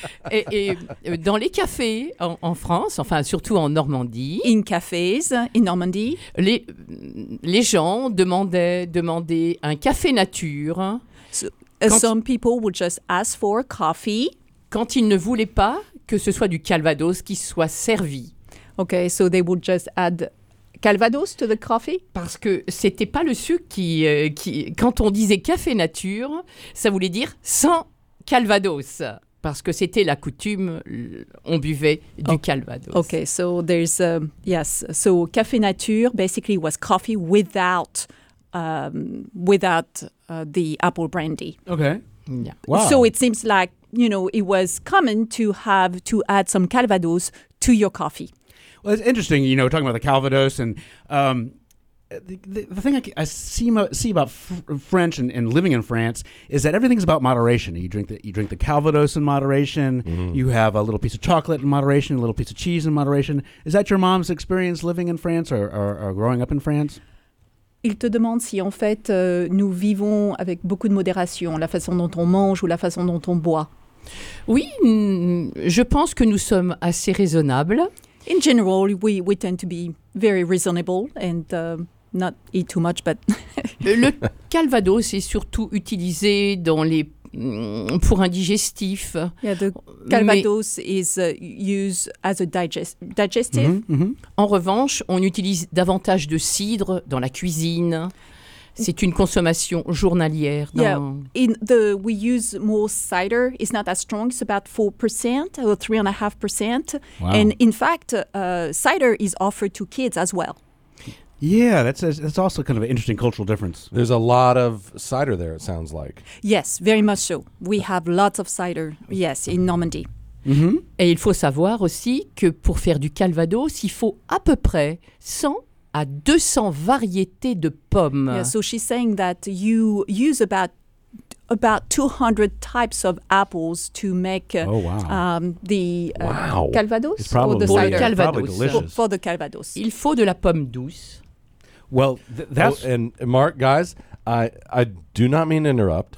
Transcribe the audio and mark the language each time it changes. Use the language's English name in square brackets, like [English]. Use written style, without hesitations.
[French] et dans les cafés en France, enfin surtout en Normandie. [English] In cafes in Normandy. [French] Les gens demandaient un café nature. [English] Some people would just ask for coffee. [French] Quand ils ne voulaient pas que ce soit du Calvados qui soit servi. [English] Okay, so they would just add Calvados to the coffee? [French] Parce que c'était pas le sucre qui quand on disait café nature, ça voulait dire sans Calvados. Parce que c'était la coutume, on buvait du Calvados. [English] Okay, so there's yes, so café nature basically was coffee without the apple brandy. Okay. Yeah. Wow. So it seems like, you know, it was common to have to add some Calvados to your coffee. Well, it's interesting, you know, talking about the Calvados and the thing I see about French and living in France is that everything's about moderation. You drink the Calvados in moderation. Mm-hmm. You have a little piece of chocolate in moderation, a little piece of cheese in moderation. Is that your mom's experience living in France or growing up in France? [French] Il te demande si en fait nous vivons avec beaucoup de modération, la façon dont on mange ou la façon dont on boit. Oui, je pense que nous sommes assez raisonnables. [English] In general, we tend to be very reasonable and not eat too much, but [French] le Calvados est surtout utilisé dans les pour un digestif. [English] Yeah, the Calvados is used as a digestive. Mm-hmm, mm-hmm. [French] En revanche, on utilise davantage de cidre dans la cuisine. C'est une consommation journalière. [English] Yeah, we use more cider. It's not as strong. It's about 4% or 3.5%. Wow. And in fact, cider is offered to kids as well. Yeah, that's also kind of an interesting cultural difference. There's a lot of cider there, it sounds like. Yes, very much so. We have lots of cider, yes, in Normandy. Mm-hmm. [French] Et il faut savoir aussi que pour faire du Calvados, il faut à peu près 100 à 200 variétés de pommes. [English] Yeah, so she's saying that you use about 200 types of apples to make Calvados? It's probably, the cider. Calvados. It's probably delicious. For the Calvados. [French] Il faut de la pomme douce. [English] Well, that's... Oh, and Mark, guys, I do not mean to interrupt.